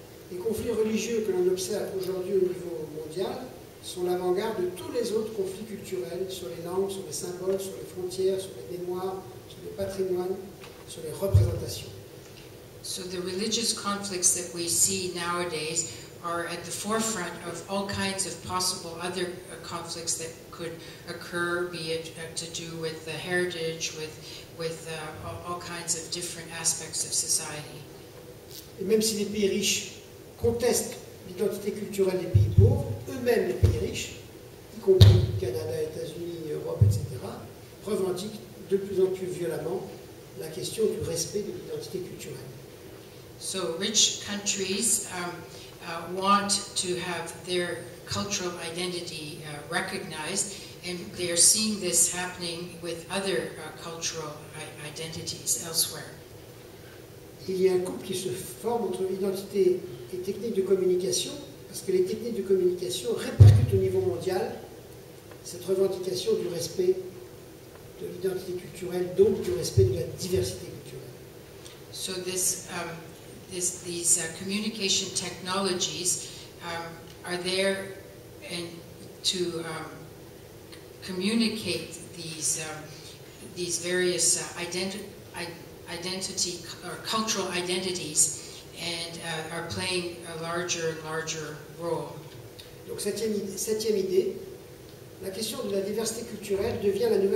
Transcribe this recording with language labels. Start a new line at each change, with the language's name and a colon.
French: Les conflits religieux que l'on observe aujourd'hui au niveau mondial sont l'avant-garde de tous les autres conflits culturels sur les langues, sur les symboles, sur les frontières, sur les mémoires, sur les patrimoines, sur les représentations.
English: So the religious conflicts that we see nowadays are at the forefront of all kinds of possible other conflicts that could occur, be it to do with the heritage, with all kinds of different aspects of society.
French: Et même si les pays riches contestent l'identité culturelle des pays pauvres, eux-mêmes les pays riches, y compris Canada, États-Unis, Europe, etc., revendiquent de plus en plus violemment la question du respect de l'identité culturelle.
English: So rich countries want to have their cultural identity recognized, and they are seeing this happening with other cultural identities elsewhere.
French: Il y a un couple qui se forme entre identité et technique de communication, parce que les techniques de communication répercutent au niveau mondial cette revendication du respect de l'identité culturelle, donc du respect de la diversité culturelle.
English: So this, these communication technologies are there and to communicate these various identity or cultural identities and are playing a larger and larger role.
French: Donc septième idée, la question de la diversité culturelle devient la nouvelle